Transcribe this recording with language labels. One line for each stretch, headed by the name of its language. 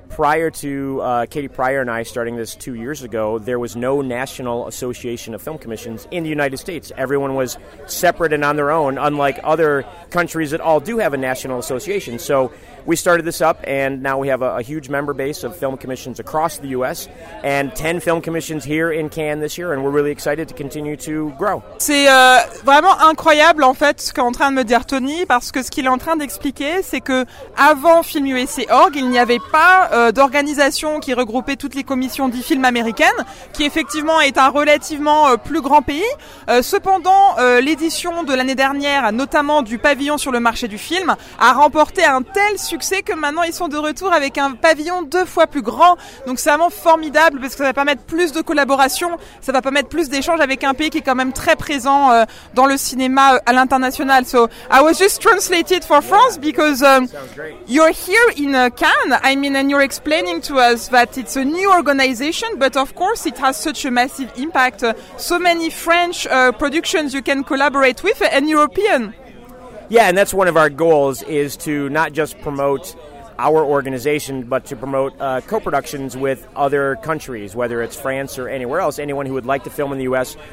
English: Prior to Katie Pryor and I starting this 2 years ago, there was no National Association of Film Commissions in the United States. Everyone was separate and on their own, unlike other countries that all do have a national association. So we started this up, and now we have a huge member base of film commissions across the U.S. and 10 film commissions here in Cannes this year, and we're really excited to continue to grow.
French: C'est vraiment incroyable, en fait, ce qu'est en train de me dire Tony, parce que ce qu'il est en train d'expliquer, c'est que avant Film USA Org, il n'y avait pas d'organisation qui regroupait toutes les commissions du film américaine, qui effectivement est un relativement plus grand pays. Cependant, l'édition de l'année dernière, notamment du pavillon sur le marché du film, a remporté un tel succès que maintenant ils sont de retour avec un pavillon deux fois plus grand. Donc c'est vraiment formidable parce que ça va permettre plus de collaboration, ça va permettre plus d'échanges avec un pays qui est quand même très présent dans le cinéma à l'international.
English: So I was just translated for France because you're here in Cannes. I mean, and you're explaining to us that it's a new organization, but of course it has such a massive impact. So many French productions you can collaborate with and European. Yeah, and that's one of our goals, is to not just promote our organization, but to promote co-productions with other countries, whether it's France or anywhere else, anyone who would like to film in the U.S.